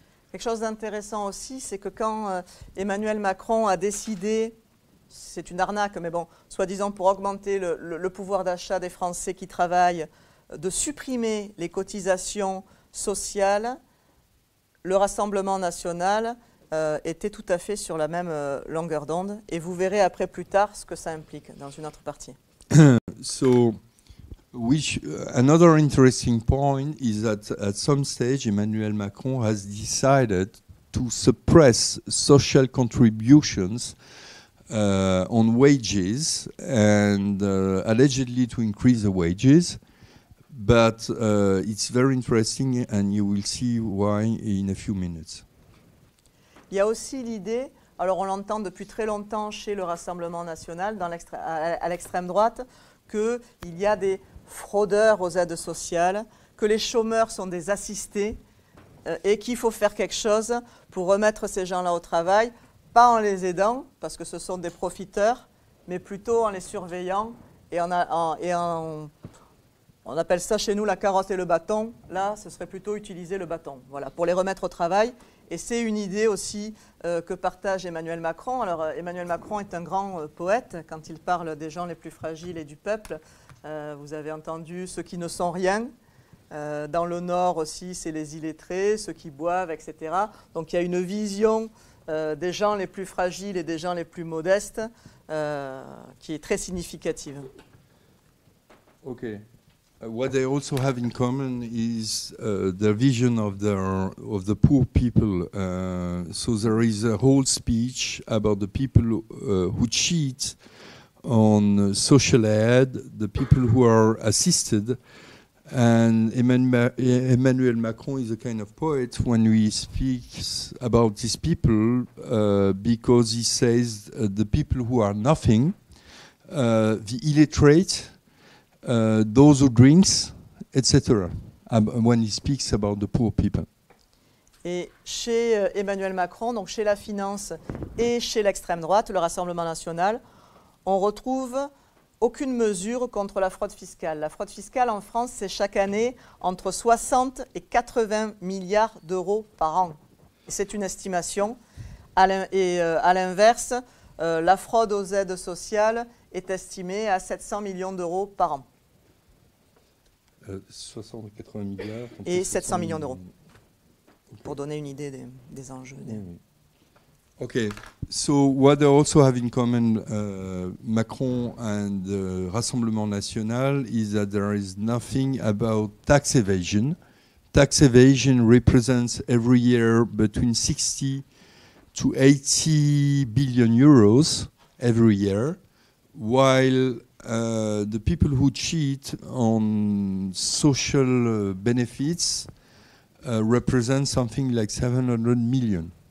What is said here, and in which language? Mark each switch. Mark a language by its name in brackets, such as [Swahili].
[French] Quelque chose d'intéressant aussi, c'est que quand Emmanuel Macron a décidé, c'est une arnaque, mais bon, soi-disant pour augmenter le pouvoir d'achat des Français qui travaillent, de supprimer les cotisations sociales, le Rassemblement national était tout à fait sur la même longueur d'onde, et vous verrez après plus tard ce que ça implique dans une autre partie. [English] So, another interesting point is that at some stage Emmanuel Macron has decided to suppress social contributions on wages and allegedly to increase the wages. But it's very interesting, and you will see why in a few minutes. [French] Il y a aussi l'idée, alors on l'entend depuis très longtemps chez le Rassemblement national, à l'extrême droite, qu'il y a des fraudeurs aux aides sociales, que les chômeurs sont des assistés et qu'il faut faire quelque chose pour remettre ces gens-là au travail, pas en les aidant, parce que ce sont des profiteurs, mais plutôt en les surveillant et on appelle ça chez nous la carotte et le bâton. Là, ce serait plutôt utiliser le bâton, voilà, pour les remettre au travail. Et c'est une idée aussi que partage Emmanuel Macron. Alors, Emmanuel Macron est un grand poète. Quand il parle des gens les plus fragiles et du peuple, vous avez entendu « ceux qui ne sont rien ». Dans le Nord aussi, c'est les illettrés, ceux qui boivent, etc. Donc, il y a une vision des gens les plus fragiles et des gens les plus modestes qui est très significative. OK. [English] What they also have in common is their vision of the poor people. So there is a whole speech about the people who cheat on social aid, the people who are assisted. And Emmanuel Macron is a kind of poet when he speaks about these people because he says the people who are nothing, the illiterate, those who drinks, etc. When he speaks about the poor people. [French] Et chez Emmanuel Macron, donc chez la finance et chez l'extrême droite, le Rassemblement national, on retrouve aucune mesure contre la fraude fiscale. La fraude fiscale en France, c'est chaque année entre 60 et 80 milliards d'euros par an. C'est une estimation. À l'inverse, la fraude aux aides sociales est estimé à 700 millions d'euros par an. 60 ou 80 milliards. Et 700 millions d'euros. Okay. Pour donner une idée des enjeux. Okay. [English] So what they also have in common, Macron and the Rassemblement National, is that there is nothing about tax evasion. Tax evasion represents every year between 60 to 80 billion euros every year, while the people who cheat on social benefits represent something like 700 million.